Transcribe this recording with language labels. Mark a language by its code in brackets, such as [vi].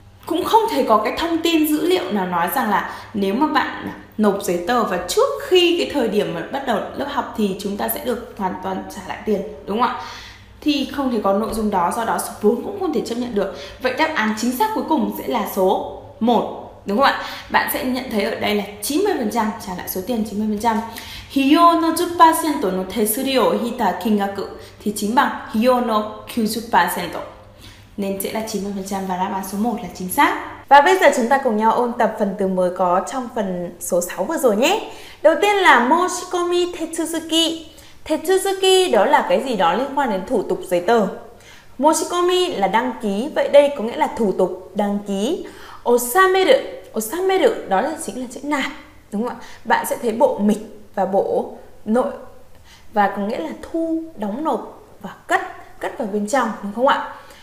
[vi] cũng không thể có cái thông tin dữ liệu nào nói rằng là nếu mà bạn nộp giấy tờ và trước khi cái thời điểm mà bắt đầu lớp học thì chúng ta sẽ được hoàn toàn trả lại tiền, đúng không ạ? Thì không thể có nội dung đó, do đó số 4 cũng không thể chấp nhận được. Vậy đáp án chính xác cuối cùng sẽ là số 1, đúng không ạ? Bạn sẽ nhận thấy ở đây là 90% trả lại số tiền 90%. [ja] 費用の 10% の手数料を引いた金額 [vi] thì chính bằng [ja] 費用の 90%. [vi] Nên sẽ là 90% và đáp án số 1 là chính xác. Và bây giờ chúng ta cùng nhau ôn tập phần từ mới có trong phần số 6 vừa rồi nhé. Đầu tiên là 申し込み手続き. 手続き đó là cái gì đó liên quan đến thủ tục giấy tờ. 申し込み là đăng ký, vậy đây có nghĩa là thủ tục đăng ký. 納める, 納める đó là chính là chữ nạp, đúng không ạ? Bạn sẽ thấy bộ mịch và bộ nội, và có nghĩa là thu, đóng nộp và cất, cất vào bên trong, đúng không ạ?